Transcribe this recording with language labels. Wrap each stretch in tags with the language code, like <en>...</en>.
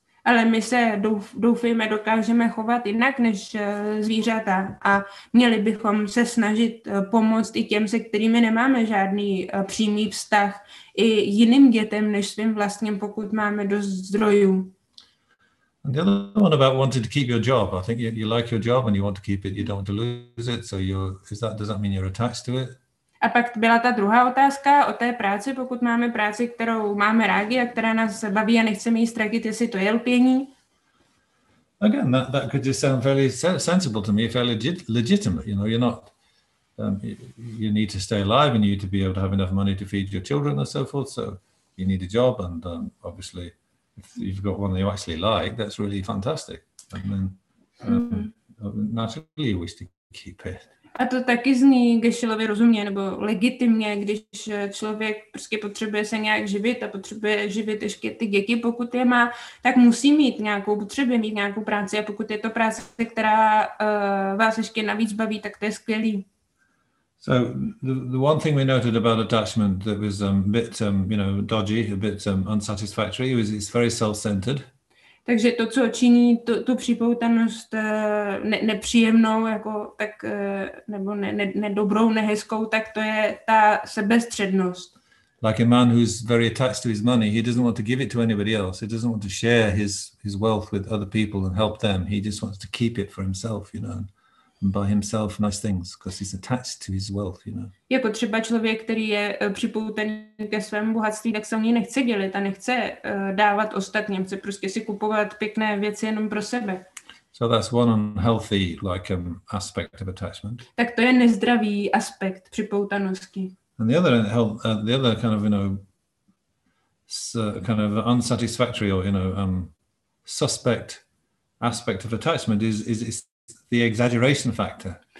<cs>Ale my se doufejme, dokážeme chovat jinak než zvířata a měli bychom se snažit pomoct i těm, se kterými nemáme žádný přímý vztah, i jiným dětem než svým vlastním, pokud máme dost zdrojů.</cs> <en>And the other one about wanting to keep your job. I think you like your job and you want to keep it, you don't want to lose it, so does that mean you're attached to it?</en> <cs>A pak byla ta druhá otázka o té práci, pokud máme práci, kterou máme rádi a která nás baví a nechceme ji ztratit, jestli to je lpění.</cs> <en>Again, that could just sound fairly sensible to me, fairly legitimate. You know, you're not, you need to stay alive and you need to be able to have enough money to feed your children and so forth. So you need a job and obviously if you've got one that you actually like, that's really fantastic. And then naturally you wish to keep it.</en> <cs>A to taky zní Gešilovi rozumně nebo legitimně, když člověk prostě potřebuje se nějak živit a potřebuje živit ještě ty děti, pokud je má, tak musí mít nějakou, potřebuje mít nějakou práci a pokud je to práce, která vás ještě navíc baví, tak to je skvělý.</cs> <en>So the one thing we noted about attachment that was a bit unsatisfactory was it's very self-centered.</en> <cs>Takže to, co činí tu připoutanost nepříjemnou, jako tak nebo nedobrou, nehezkou, tak to je ta sebestřednost.</cs> <en>Like a man who's very attached to his money, he doesn't want to give it to anybody else. He doesn't want to share his wealth with other people and help them. He just wants to keep it for himself, you know. By himself nice things because he's attached to his wealth, you know.</en> <cs>Jako třeba člověk, který je připoutaný ke svému bohatství, tak se o něj nechce dělit a nechce dávat ostatním, chce prostě si kupovat pěkné věci jenom pro sebe.</cs> <en>So that's one unhealthy like aspect of attachment.</en> <cs>Tak to je nezdravý aspekt připoutanosti.</cs> <en>And the other unsatisfactory or suspect aspect of attachment is the exaggeration factor.</en>